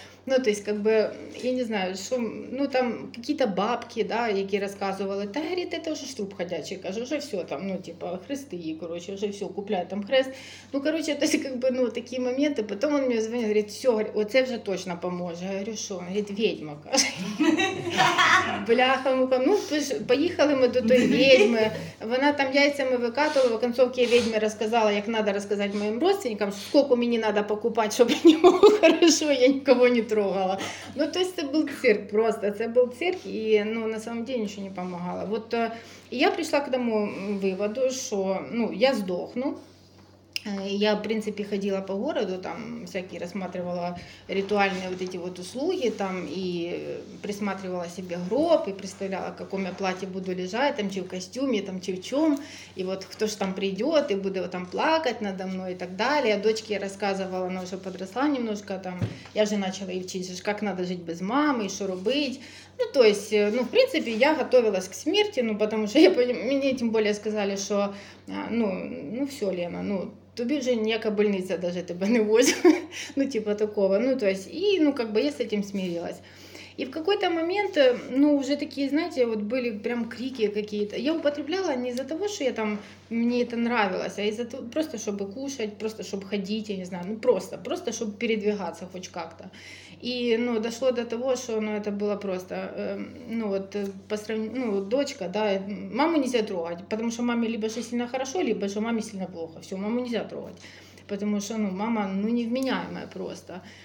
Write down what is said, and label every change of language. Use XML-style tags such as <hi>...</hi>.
<ru>Ну, то есть, как бы, я не знаю, что, ну, там, какие-то бабки, да, які рассказывали, да, говорит, это уже штруп ходячий, кажу, уже все там, ну, типа, хресты, короче, уже все,</ru> <uk>купляй там хрест.</uk> <ru>Ну, короче, то есть, как бы, ну, такие моменты, потом он мне звонит, говорит, все,</ru> <uk>оце вже точно поможе.</uk> <ru>Я говорю, что? Он говорит, ведьма, каже.</ru> <uk>Бляха, муха, ну, поїхали ми до той ведьми, вона там яйцями викатувала, в концовці я ведьми розказала, як надо розказати моїм родственникам, скільки мені треба покупати, щоб мені було хорошо, я нікого не трогала. Ну, то есть, це був цирк просто, це був цирк, і, ну,</uk> <ru>на самом деле,</ru> <uk>нічого не помогало. Вот я прийшла к тому виводу, що, ну, я здохну. Я, в принципі, ходила по городу, там, всякі розсматривала ритуальні вот эти вот услуги, там, і присматривала себе гроб, і представляла, в якому я платі буду лежати, там, чи в костюмі, там, чи в чому, і от хто ж там прийде і буде там плакати надо мною і так далі. А дочці я розказувала, вона вже подросла немножко, там, я вже почала її вчити, як треба жити без мами, що робити. Ну, то есть, ну, в принципі, я готувалась к смерті, ну, потому що мені тим більше сказали, що, ну, все, Лена, ну, тобі вже ніяка больниця даже тебе не возьме, ну, типа такого, ну, то есть, і,</uk> <ru>ну, как бы я с этим смирилась. И в какой-то момент, ну, уже такие, знаете, вот были прям крики какие-то. Я употребляла не из-за того, что я там, мне это нравилось, а из-за того, просто чтобы кушать, просто чтобы ходить, я не знаю, ну, просто чтобы передвигаться хоть как-то. И, ну, дошло до того, что, ну, это было просто, ну, вот, по сравнению, ну, дочка, да, маму нельзя трогать, потому что маме либо же сильно хорошо, либо же маме сильно плохо, все, маму нельзя трогать, потому что, ну, мама, ну, невменяемая просто.</ru>